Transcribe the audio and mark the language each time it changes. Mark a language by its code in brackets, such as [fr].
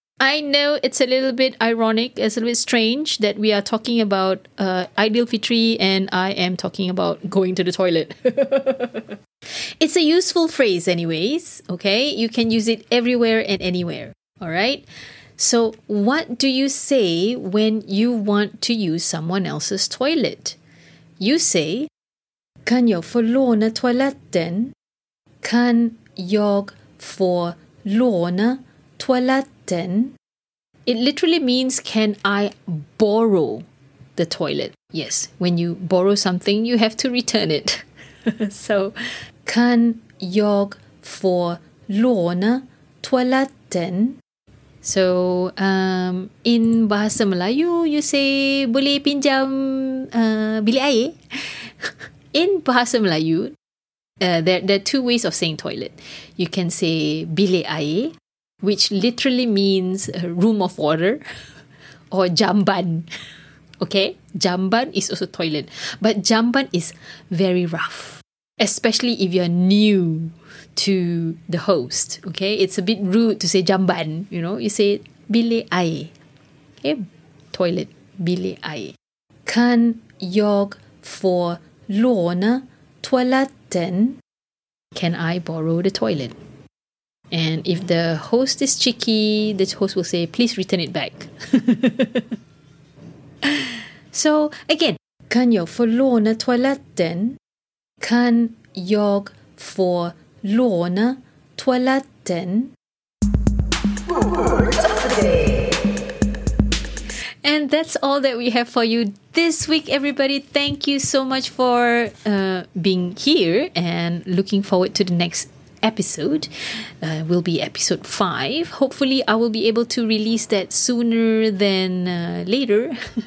[en] I know it's a little bit ironic, it's a little bit strange that we are talking about Aidil Fitri and I am talking about going to the toilet. It's a useful phrase anyways, okay? You can use it everywhere and anywhere, all right? So what do you say when you want to use someone else's toilet? You say, [sv] Kan jag få låna toaletten? Kan jag få låna toaletten? [en] It literally means, can I borrow the toilet? Yes, when you borrow something, you have to return it. [sv] So, kan jag få låna toaletten? [en] So, in Bahasa Melayu, you say, [ms] boleh pinjam bilik air? [en] In Bahasa Melayu, there are two ways of saying toilet. You can say, bilik air, which literally means a room of water, or jamban. Okay? Jamban is also toilet. But jamban is very rough, especially if you're new to the host. Okay? It's a bit rude to say jamban. You know, you say bilik air. Okay? Toilet. Bilik air. [sv] Kan jag få låna toaletten? [en] Can I borrow the toilet? And if the host is cheeky, the host will say, please return it back. So, again, [sv] kan jag få låna toaletten? Kan jag få låna toaletten? [en] And that's all that we have for you this week, everybody. Thank you so much for being here and looking forward to the next episode. Will be episode 5. Hopefully I will be able to release that sooner than later.